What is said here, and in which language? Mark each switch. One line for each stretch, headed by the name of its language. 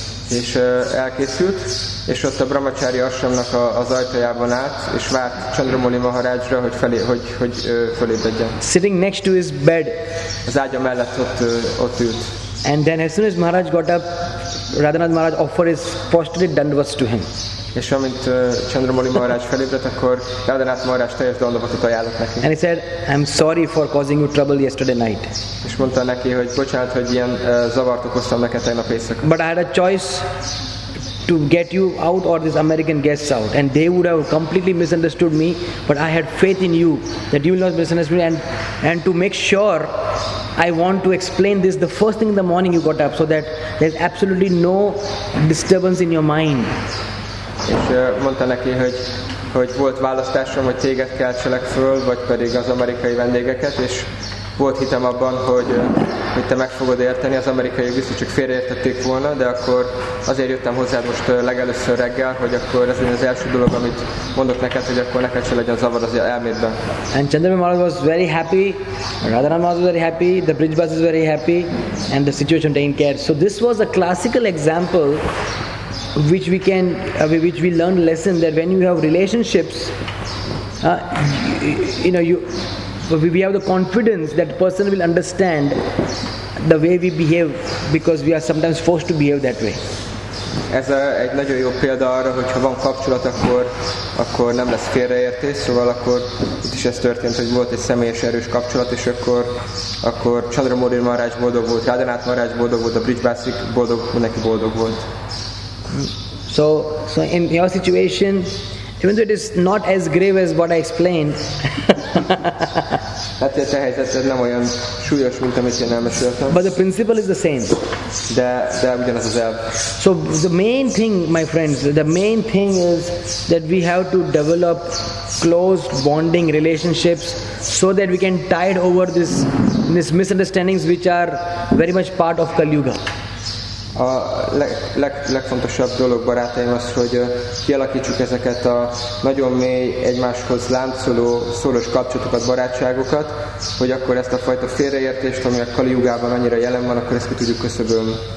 Hungarian: És elkészült, és ott a Brahmachari Ashramnak az ajtajában állt, és várt Chandramouli Maharajra, hogy fölébredjen.
English: Sitting next to his bed.
Hungarian: Az ágya mellett ott ült.
English: And then as soon as Maharaj got up, Radhanath Maharaj offered his prostrate dandavas to him.
Hungarian: És amint Chandramouli Maharaj felébredt, akkor Radhanath Maharaj teljes dallamot ajánlott neki.
English: And he said, I'm sorry for causing you trouble yesterday night.
Hungarian: És mondta neki, hogy bocsánat, hogy ilyen zavart okoztam neked tegnap éjszaka.
English: But I had a choice to get you out or these American guests out, and they would have completely misunderstood me, but I had faith in you that you will not misunderstand me, and to make sure I want to explain this the first thing in the morning you got up, so that there's absolutely no disturbance in your mind.
Hungarian: És mondta neki, hogy volt választásom, hogy téged keltselek föl, vagy pedig az amerikai vendégeket, és volt hitem abban, hogy te meg fogod érteni, az amerikai biztos csak félreértették volna, de akkor azért jöttem hozzád most legelőször reggel, hogy akkor ez az első dolog, amit mondok neked, hogy akkor neked se legyen zavar az elmédben.
English: And Chandramouli Maharaj was very happy, Radhanath Maharaj was very happy, the bridge bus is very happy, and the situation taken care. So this was a classical example which we can, which we learned lesson that when you have relationships, we have the confidence that person will understand the way we behave, because we are sometimes forced to behave that way.
Hungarian: Ez egy nagyon jó példa arra, hogy ha van kapcsolat, akkor nem lesz félreértés, szóval akkor itt is ez történt, hogy volt egy személyes erős kapcsolat, és akkor Chandramouli Maharaj boldog volt, Radhanath Maharaj boldog volt, a bridge basic boldog, mindenki boldog volt.
English: So in your situation, even though it is not as grave as what I explained,
Hungarian: hát ez a helyzet, ez nem olyan súlyos, mint amit én elmeséltem.
English: But the principle is the same.
Hungarian: De ugyanaz az elv.
English: So the main thing, my friends, the main thing is that we have to develop close bonding relationships, so that we can tide over this misunderstandings which are very much part of Kali Yuga.
Hungarian: A legfontosabb dolog, barátaim, az, hogy kialakítsuk ezeket a nagyon mély, egymáshoz láncoló, szoros kapcsolatokat, barátságokat, hogy akkor ezt a fajta félreértést, ami a Kali Yugában annyira jelen van, akkor ezt ki tudjuk küszöbölni.